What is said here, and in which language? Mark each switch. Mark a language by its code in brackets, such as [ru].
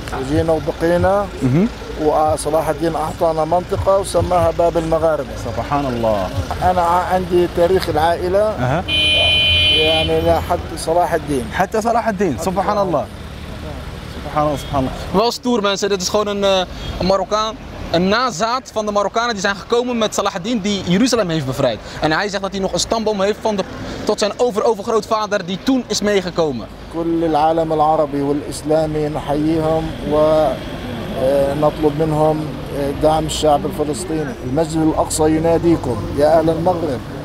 [ar] جينا وبقينا وصلاح الدين أعطانا منطقة وسماها باب المغاربة سبحان الله أنا عندي تاريخ العائلة يعني لحد صلاح الدين حتى صلاح الدين سبحان الله سبحان الله سبحان الله [nl] wel stoer mensen dit is gewoon een Marokkaan een nazaat van de Marokkanen die zijn gekomen met Salah ad-Din die Jeruzalem heeft bevrijd en hij zegt dat hij nog een stamboom heeft van de tot zijn overgrootvader die toen is meegekomen. [ar] كل العالم العربي والإسلامي نحييهم ونطلب منهم دعم الشعب الفلسطيني. المسجد الأقصى يناديكم يا أهل المغرب.